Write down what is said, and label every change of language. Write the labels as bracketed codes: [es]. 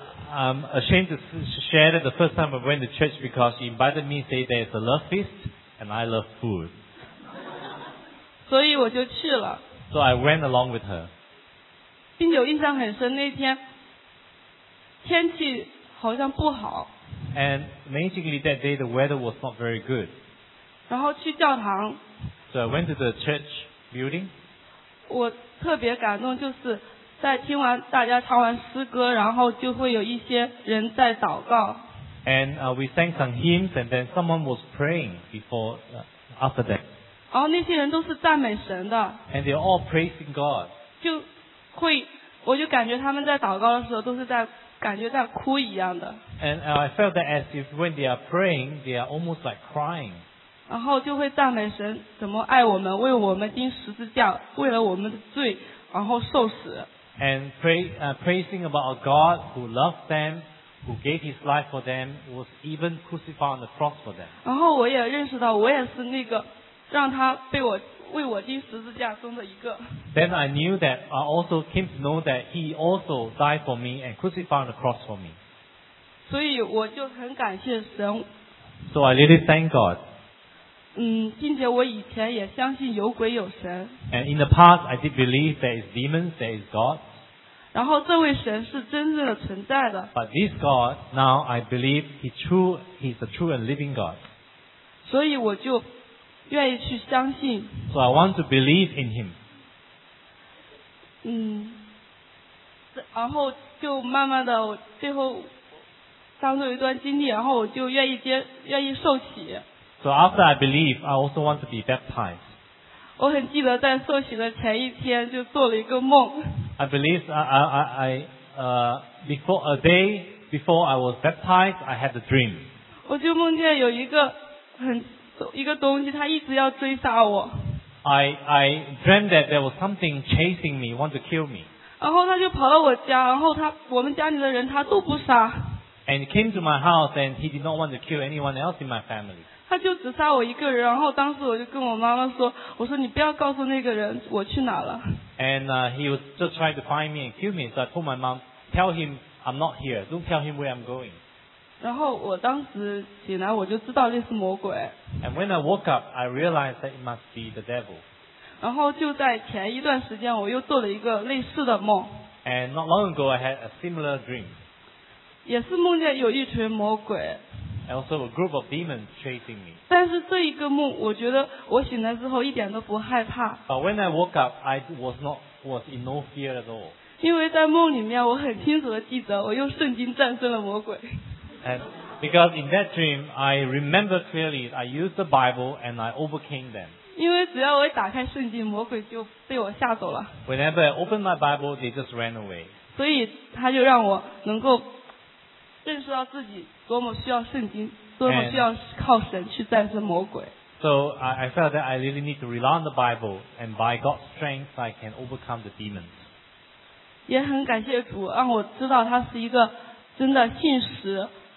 [en] I'm ashamed to share that the first time I went to church because she invited me to say there's a love feast and I love food. [zh] 所以我就去了。 [en] So I went along with her. [zh] 并且印象很深，那天天气好像不好。 [en] And amazingly that day the weather was not very good. [zh] 然后去教堂。 [en] So I went to the church building. [zh] 我特别感动就是在听完大家唱完诗歌，然后就会有一些人在祷告。 [en] And we sang some hymns, and then someone was praying before after that. [zh] 然后那些人都是赞美神的。 [en] And they're all praising God. [zh] 就会，我就感觉他们在祷告的时候都是在感觉在哭一样的。 [en] And I felt that as if when they are praying, they are almost like crying. [zh] 然后就会赞美神怎么爱我们，为我们钉十字架，为了我们的罪。然后受死。 [en] And praising about a God who loved them, who gave his life for them, was even crucified on the cross for them. [zh] 然后我也认识到，我也是那个让他为我钉十字架中的一个。 [en] Then I knew that I also came to know that he also died for me and crucified on the cross for me. [zh] 所以我就很感谢神。 [en] So I really thank God. [zh] 嗯，并且我以前也相信有鬼有神。 [en] And in the past, I did believe there is demons, there is God. [zh] 然后这位神是真正的存在的。 [en] But this God, now I believe he's a true and living God. [zh] 所以我就愿意去相信。 [en] So I want to believe in him. [zh] 嗯，然后就慢慢的，最后当做一段经历，然后我就愿意受洗。 [en] So after I believe, I also want to be baptized. [zh] 我很记得在受洗的前一天就做了一个梦。 [en] I believe before I was baptized, I had a dream. [zh] 我就梦见有一个东西，它一直要追杀我。 [en] I dreamt that there was something chasing me, want to kill me. [zh] 然后他就跑到我家，然后他我们家里的人他都不杀。 [en] And came to my house, and he did not want to kill anyone else in my family. [zh] 他就只杀我一个人，然后当时我就跟我妈妈说，我说你不要告诉那个人我去哪了。 [en] And he was just trying to find me and kill me, so I told my mom, tell him I'm not here. Don't tell him where I'm going. [zh] 然后我当时醒来，我就知道那是魔鬼。 [en] And when I woke up, I realized that it must be the devil. [zh] 然后就在前一段时间，我又做了一个类似的梦。 [en] And not long ago, I had a similar dream. [zh] 也是梦见有一群魔鬼。 [en] Also a group of demons chasing me. [zh] 但是这一个梦，我觉得我醒来之后一点都不害怕。 [en] But when I woke up, I was in no fear at all. [zh] 因为在梦里面，我很清楚的记得，我用圣经战胜了魔鬼。 [en] And because in that dream, I remember clearly I used the Bible and I overcame them. [zh] 因为只要我打开圣经，魔鬼就被我吓走了。 [en] Whenever I opened my Bible, they just ran away. [zh] 所以他就让我能够认识到自己多么需要圣经，多么需要靠神去战胜魔鬼。 [en] So I felt that I really need to rely on the Bible, and by God's strength, I can overcome the demons. [zh] 也很感谢主，让我知道他是一个真的信实。